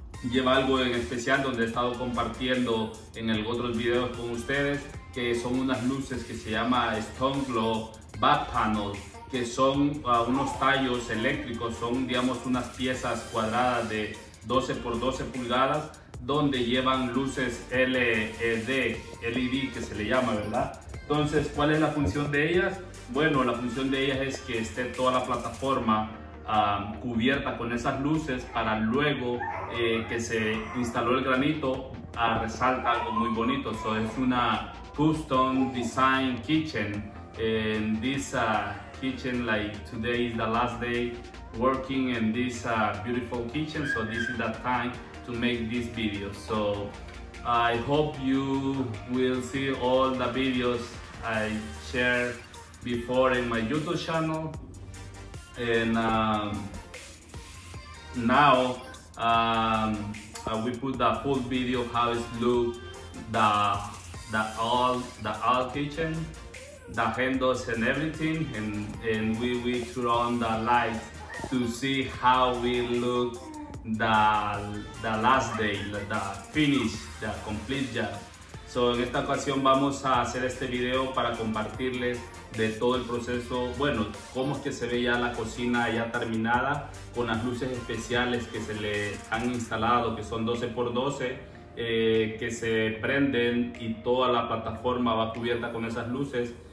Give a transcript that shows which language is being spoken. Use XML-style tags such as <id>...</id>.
<es>lleva algo en especial donde he estado compartiendo en otros videos con ustedes, que son unas luces que se llama Stone Glow Back Panels, que son unos tallos eléctricos, son, digamos, unas piezas cuadradas de 12 por 12 pulgadas, donde llevan luces LED, que se le llama, ¿verdad? Entonces, ¿cuál es la función de ellas? Bueno, la función de ellas es que esté toda la plataforma cubierta con esas luces para luego que se instaló el granito, resalta algo muy bonito.</es> <en>So,</en> <es>es una</es> <en>custom design kitchen. And this kitchen, like today is the last day working in this beautiful kitchen. So this is the time to make this video. So I hope you will see all the videos I shared before in my YouTube channel. And now I will put the full video of how it looks, the all kitchen, the handles and everything, and we will turn on the lights to see how we look the last day, the complete job.</en> <es>So, en esta ocasión vamos a hacer este video para compartirles de todo el proceso, bueno, cómo es que se ve ya la cocina ya terminada, con las luces especiales que se le han instalado, que son 12x12, que se prenden y toda la plataforma va cubierta con esas luces.</es>